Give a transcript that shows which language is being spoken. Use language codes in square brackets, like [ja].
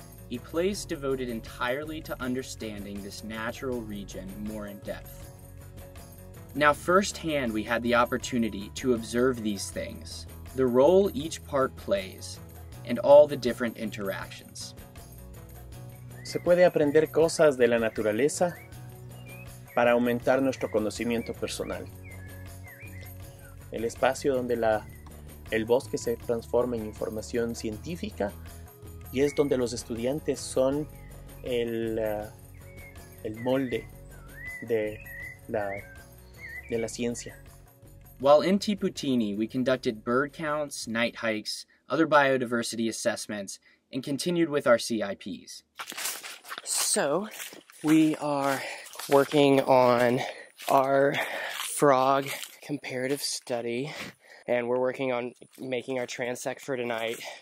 [en] A place devoted entirely to understanding this natural region more in depth. Now, firsthand, we had the opportunity to observe these things, the role each part plays, and all the different interactions. [es] Se puede aprender cosas de la naturaleza para aumentar nuestro conocimiento personal. El espacio donde el bosque se transforma en información científica y es donde los estudiantes son el molde de la ciencia. [en] While in Tiputini, we conducted bird counts, night hikes, other biodiversity assessments, and continued with our CIPs. So, we are working on our frog comparative study, and we're working on making our transect for tonight.